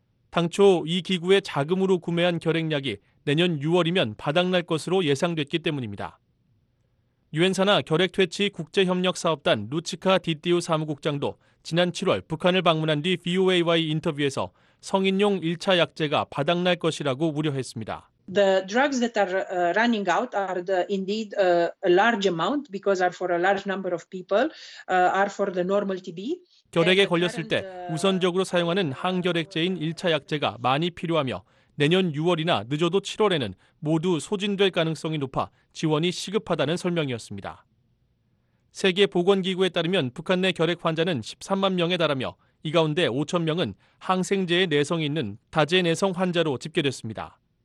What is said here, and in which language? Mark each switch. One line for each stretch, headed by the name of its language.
Korean: 당초 이 기구의 자금으로 구매한 결핵약이 내년 6월이면 바닥날 것으로 예상됐기 때문입니다. 유엔사나 결핵퇴치 국제협력사업단 루치카 디띠우 사무국장도 지난 7월 북한을 방문한 뒤 VOA와의 인터뷰에서 성인용 1차 약제가 바닥날 것이라고 우려했습니다.
English: The drugs that are running out are the indeed a large amount because are for a large number of people are for the normal TB.
Korean: 결핵에 걸렸을 때 우선적으로 사용하는 항결핵제인 1차 약제가 많이 필요하며 내년 6월이나 늦어도 7월에는 모두 소진될 가능성이 높아 지원이 시급하다는 설명이었습니다. 세계 보건 기구에 따르면 북한 내 결핵 환자는 13만 명에 달하며 이 가운데 5천 명은 항생제에 내성이 있는 다제 내성 환자로 집계됐습니다.